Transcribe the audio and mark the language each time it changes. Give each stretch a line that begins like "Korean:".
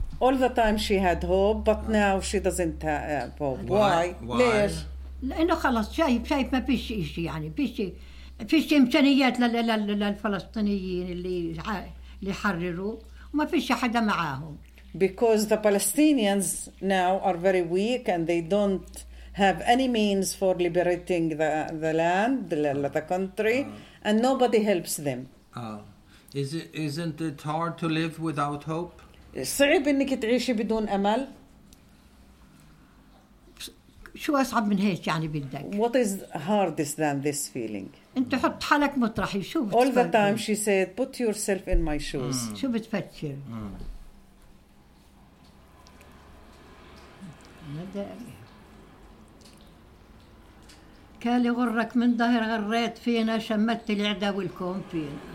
English: all the time she had hope, but now she doesn't have hope. Why?
Arabic: لأنه خلاص شايف ما فيش إشي يعني فيش إمكانيات للفلسطينيين اللي حرروا وما فيش حدا معاهم.
English: Because the Palestinians now are very weak and they don't have any means for liberating the land, the country, and nobody helps them. Isn't it hard to live without hope?
Arabic: صعب إنك تعيشي بدون أمل. شو أصعب من هيك يعني بدك؟
English: What is hardest than this feeling?
Arabic: أنت حط حالك مطرحي شو بتفكر؟
English: All the time she said, "Put yourself in my shoes."
Arabic: شو بتفكر؟ كالي غرك من ظهر غريت فينا شمت العدا والكون فينا.